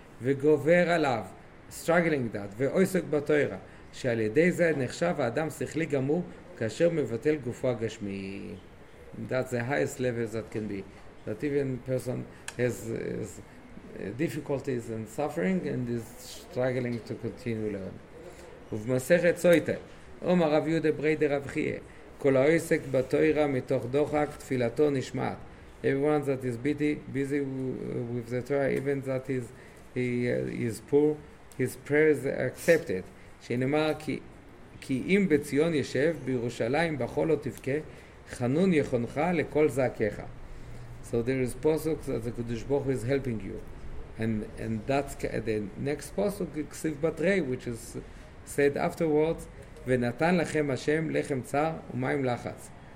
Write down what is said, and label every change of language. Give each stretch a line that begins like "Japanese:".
Hebrew: וגובר עליו,
English: struggling that,
Hebrew: ועוסק בתוירה, שעל ידי זה נחשב האדם שכלי גמור, כאשר מבטל גופו הגשמי.
English: That's the highest level that can be. That even person has difficulties and suffering and is struggling to continue learning.
Hebrew: ובמסכת סויטה, אומר רב יהודה בריידר רב חיה, כל העוסק בתוירה מתוך דוחק תפילתו נשמעת.
English: Everyone that is busy with the Torah, even that he is poor, his prayers are accepted.
Hebrew: שנאמר כי אם בציון ישב, בירושלים בכל לא תבכה, חנון יחונך לכל זעקיך.
English: So there is posuk that the Kodesh Baruch Hu is helping you. And that's the next posuk, Ksiv Batrei, which is said afterwards,
Hebrew: ונתן לכם השם לחם צר ומים לחץ.